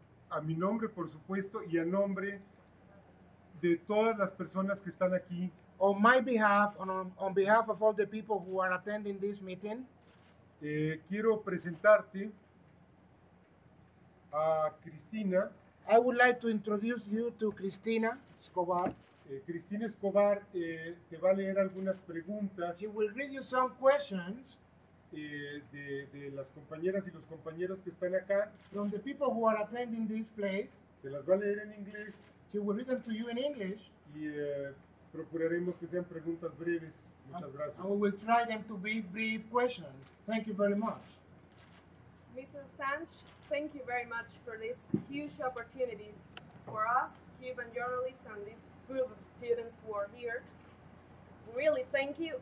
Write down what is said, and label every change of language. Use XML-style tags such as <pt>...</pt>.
<es>A mi nombre, por supuesto, y a nombre de todas las personas que están aquí.</es> <en>On my behalf, on behalf of all the people who are attending this meeting,</en> <es>quiero presentarte a Cristina.</es> <en>I would like to introduce you to Cristina Escobar.</en> <es>Cristina Escobar te va a leer algunas preguntas.</es> <en>She will read you some questions.</en> <es>De las compañeras y los compañeros que están acá.</es> <en>From the people who are attending this place.</en> <es>Te las va a leer en inglés.</es> <en>She will read them to you in English.</en> <es>Y procuraremos que sean preguntas breves. Muchas gracias.</es> <en>We will try them to be brief questions. Thank you very much. Mr. Assange, thank you very much for this huge opportunity for us, Cuban journalists, and this group of students who are here. Really, thank you.</en>